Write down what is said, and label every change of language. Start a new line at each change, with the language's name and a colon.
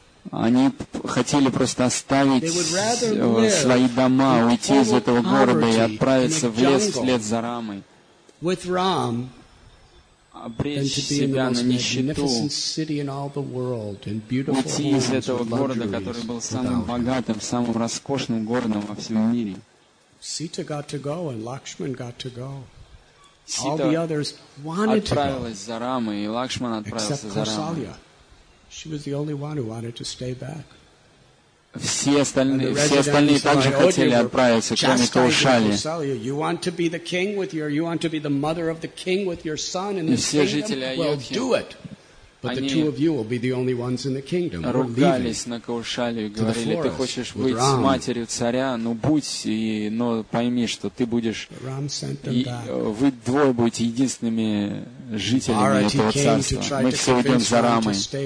Russian: Они хотели просто оставить свои дома, уйти из этого города и отправиться в лес вслед за Рамой, обречь себя на нищету, уйти из этого города, который был самым богатым, самым роскошным городом во всем мире.
English: Sita got to go, and Lakshman got to go. All the others wanted to go.
Russian: За Раму, и Лакшман отправился
English: except Kausalya. She was the only one who wanted to stay back.
Russian: Все остальные также хотели отправиться, кроме Каушали.
English: You want to be the king with your, you want to be the mother of the king with your son in this kingdom. Well, do it. But the two of you will be the only ones in the kingdom.
Russian: Ругались на Каушали и говорили: ты хочешь быть с матерью царя, ну будь, и, но пойми, что ты будешь, и, вы двое будете единственными жителями этого царства. Мы все уйдем за Рамой.